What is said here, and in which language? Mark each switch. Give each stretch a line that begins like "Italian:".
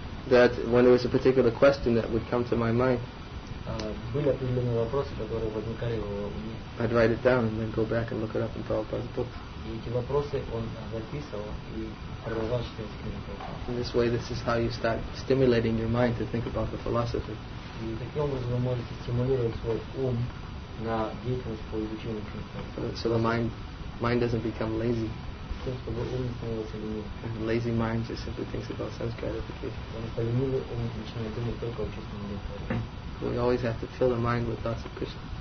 English: that when there was a particular question that would come to my mind,
Russian: были определенные вопросы, которые возникали в уме.
English: I'd write it down and then go back and look it up in Prabhupada's books.
Russian: И эти вопросы он записывал и продолжал читать книги Прабхупады.
English: In this way, this is how you start stimulating your mind to think about the philosophy.
Russian: И таким образом вы можете стимулировать свой ум на деятельность по изучению книг.
English: So the mind doesn't become lazy. And lazy mind just simply thinks about sense gratification. We always have to fill the mind with thoughts of Krishna.